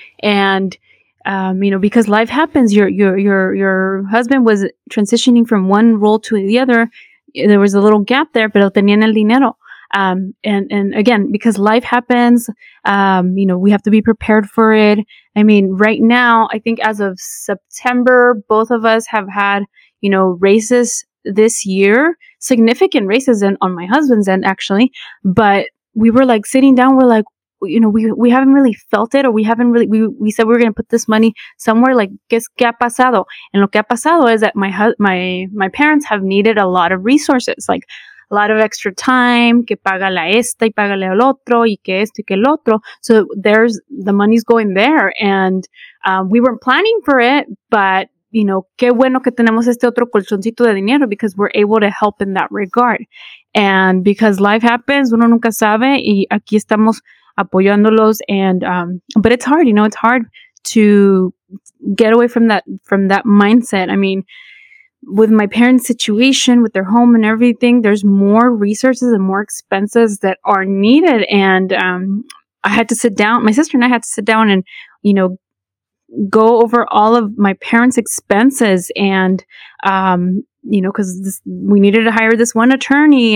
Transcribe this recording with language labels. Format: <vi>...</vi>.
<en>And, you know, because life happens, your husband was transitioning from one role to the other. There was a little gap there,</en> <es>pero tenían el dinero.</es> <en>And again, because life happens, you know, we have to be prepared for it. I mean, right now, I think as of September, both of us have had, you know, raises this year, significant racism on my husband's end, actually. But we were like sitting down, we're like, you know, we haven't really felt it, or we haven't really, we said we were going to put this money somewhere, like,</en> <es>¿qué ha pasado?</es> <en>And</en> <es>lo que ha pasado</es> <en>is that my parents have needed a lot of resources, like a lot of extra time,</en> <es>que paga la esta y paga el otro y que esto y que el otro.</es> <en>So there's, the money's going there, and we weren't planning for it, but, you know,</en> <es>qué bueno que tenemos este otro colchoncito de dinero,</es> <en>because we're able to help in that regard. And because life happens,</en> <es>uno nunca sabe, y aquí estamos apoyándolos.</es> <en>And but it's hard, you know, it's hard to get away from that mindset. I mean, with my parents' situation, with their home and everything, there's more resources and more expenses that are needed. And I had to sit down, my sister and I had to sit down and, you know, go over all of my parents' expenses, and you know, because we needed to hire this one attorney.</en>